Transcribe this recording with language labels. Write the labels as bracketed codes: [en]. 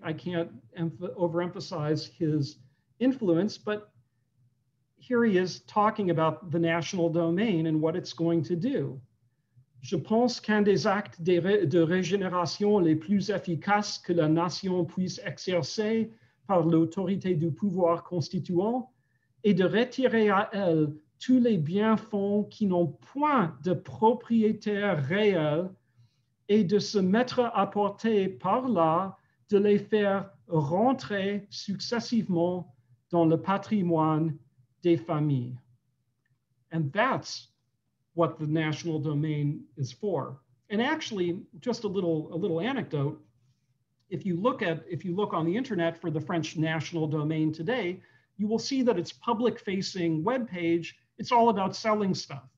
[en] I can't overemphasize his influence, but here he is talking about the national domain and what it's going to do. [fr] Je pense qu'un des actes de régénération les plus efficaces que la nation puisse exercer par l'autorité du pouvoir constituant est de retirer à elle tous les bienfonds qui n'ont point de propriétaire réel et de se mettre à porter par là de les faire rentrer successivement dans le patrimoine des familles. [en] And that's what the national domain is for. And actually, just a little anecdote, if you look on the internet for the French national domain today, you will see that its public-facing webpage, it's all about selling stuff.